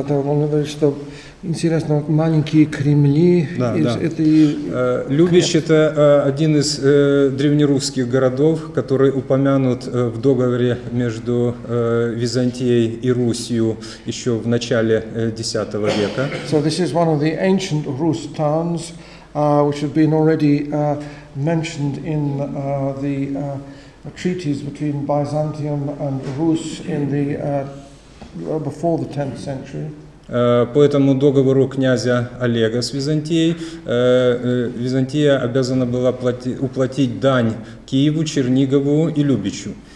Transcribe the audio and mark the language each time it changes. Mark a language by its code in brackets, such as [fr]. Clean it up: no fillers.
[ru] Он говорит, что интересно, маленькие кремли. Да, да. Любич – это один из древнерусских городов, который упомянут в договоре между Византией и Русью еще в начале X века. [en] So this is one of the ancient Rus towns, which have been already mentioned in the treaties between Byzantium and Rus in the before the 10th century. [ru] По этому договору князя Олега с Византией Византия обязана была уплатить дань Киеву, Чернигову и Любичу.